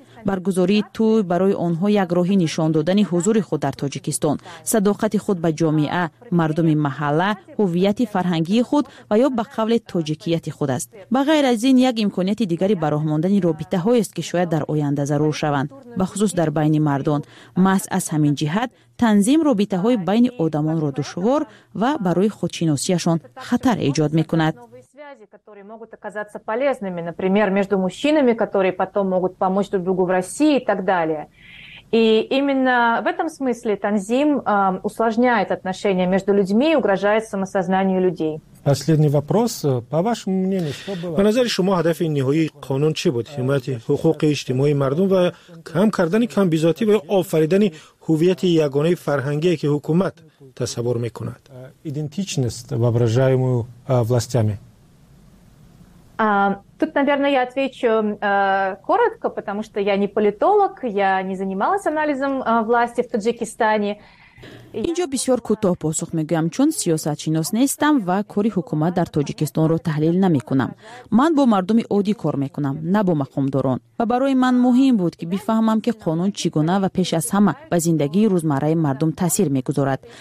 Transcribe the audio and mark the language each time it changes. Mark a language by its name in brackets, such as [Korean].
[Tajik] Баргузории туй барои онҳо як роҳи нишон додани ҳузури худ дар Тоҷикистон, садоқати худ ба ҷомеа, мардуми маҳалла, ҳувияти фарҳангии худ ва ё ба қавле тоҷикияти худ аст. Ба ғайр аз ин, як имконияти дигари бароҳмондани робитаҳоест, ки шояд дар оянда зарур шаванд, ба хусус дар байни мардон. Маҳз аз ҳамин ҷиҳат танзим робитаҳои байни одамонро душвор ва барои худшиносияшон хатар эҷод мекунад. [Russian] Которые могут оказаться полезными, например, между мужчинами, которые потом могут помочь друг другу в России и так далее. И именно в этом смысле танзим усложняет отношения между людьми и угрожает самосознанию людей. Последний вопрос. По вашему мнению, что было? [Tajik] По назаре шумо, хадафи ниҳои қонун чи буд? Ҳимояти ҳуқуқи иҷтимоии мардум ва кам кардани камбизоатӣ ва офаридани ҳувияти ягонаи фарҳангӣ ки ҳукумат тасаввур мекунад. [Russian] Идентичность, воображаемую властями. Тут, наверное, я отвечу коротко, потому что я не политолог, я не занималась анализом власти в Таджикистане. [Tajik] Инҷо бисёр кӯтоҳ посух мегӯям, чун сиёсатшинос нестам ва кори ҳукумат дар Тоҷикистонро таҳлил намекунам. Ман бо мардуми оддӣ кор мекунам, на бо мақомдорон. Ва барои ман муҳим буд, ки бифаҳмам, ки қонун чӣ гуна ва пеш аз ҳама ба зиндагии рӯзмарраи мардум таъсир мегузорад.